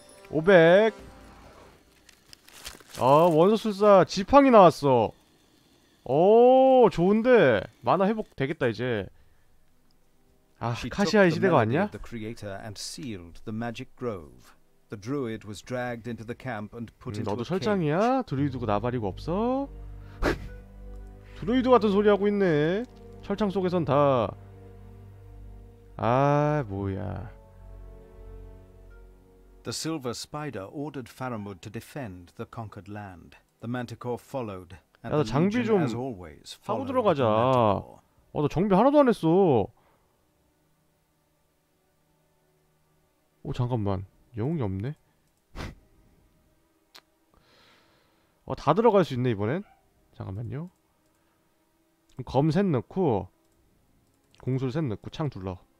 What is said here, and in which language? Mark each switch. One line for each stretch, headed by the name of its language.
Korean: 500. 아 원소술사 지팡이 나왔어. 오 좋은데. 만화 회복 되겠다 이제. 아 카시아의 시대가 왔냐?
English: The creator and sealed the magic grove. The druid was dragged into the camp and put into a cage.
Korean: 너도 철장이야? 드루이드고 나발이고 없어? 드루이드 같은 소리 하고 있네. 철창 속에선 다. 아 뭐야.
English: The silver spider ordered Faramud to defend the conquered land. The manticore followed.
Korean: 야 너 장비 좀 하고 들어가자. 어 너 정비 하나도 안 했어. 오 잠깐만 영웅이 없네. 어 다 들어갈 수 있네 이번엔. 잠깐만요. 검 셋 넣고 공술 셋 넣고 창 둘러.